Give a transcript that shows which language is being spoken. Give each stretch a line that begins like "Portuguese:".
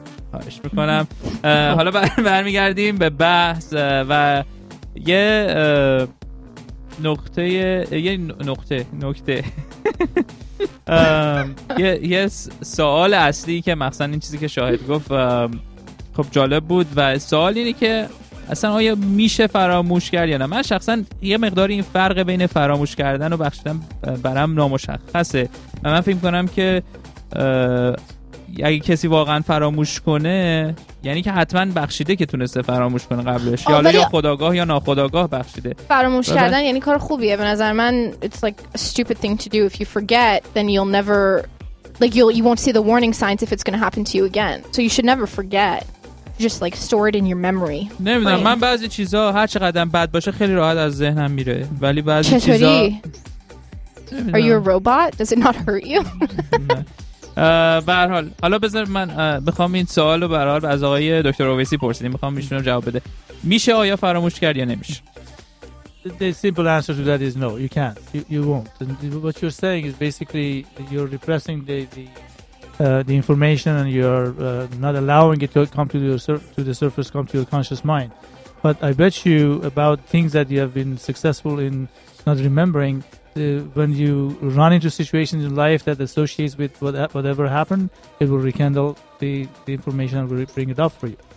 Persian: خواهش میکنم حالا برمیگردیم به بحث و یه نقطه یه نقطه نقطه یه سوال اصلی که مخصوصا این چیزی که شاهد گفت خب جالب بود و سوال اینه که اصلا آیا میشه فراموش کرد یا نه من شخصا یه مقدار این فرق بین فراموش کردن و بخشیدن برام نامشخصه و من فکر میکنم که اگه کسی واقعا فراموش کنه یعنی که حتما بخشیده که تونسته فراموش کنه قبلش یا یا خودآگاه یا ناخودآگاه بخشیده فراموش کردن یعنی کار خوبیه به نظر من
English: it's like a stupid thing to do if you forget then you'll never like you won't see the warning signs if it's gonna happen to you again so you should never forget just like store it in your memory
Persian: نمیدونم right. من بعضی چیزا هر چقدرم بد باشه خیلی راحت از ذهنم میره ولی بعضی چطوری؟ چیزا نمیدونم.
English: Are you a robot? Does it not hurt you?
Persian: برحال حالا بذار من بخوام این سوال رو برحال از آقای دکتر اویسی پرسیدیم بخوام ایشون رو جواب بده میشه آیا فراموش کرد یا نمیشه
English: The simple answer to that is no you can't you won't and what you're saying is basically you're repressing the information and you're not allowing it to come to the surface come to your conscious mind but I bet you about things that you have been successful in not remembering when you run into situations in life that associates with whatever happened, it will rekindle the information and will bring it up for you.